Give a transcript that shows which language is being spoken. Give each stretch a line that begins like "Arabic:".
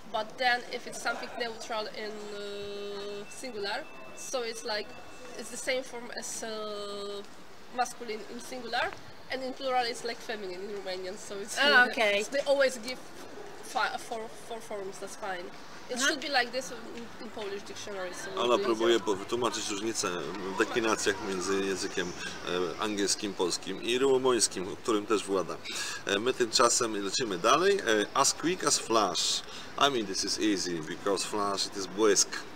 English: But then if it's something neutral in singular, so it's like, it's the same form as masculine in singular, and in plural it's like feminine in Romanian, so it's... Oh, okay. So they always give four forms, that's fine. It should be like this in Polish dictionary. So
Polish: Ala próbuje wytłumaczyć różnicę w deklinacjach między językiem angielskim, polskim i rumuńskim, którym też włada. My tymczasem lecimy dalej.
English: As quick as flash. I mean, this is easy because flash it is błysk.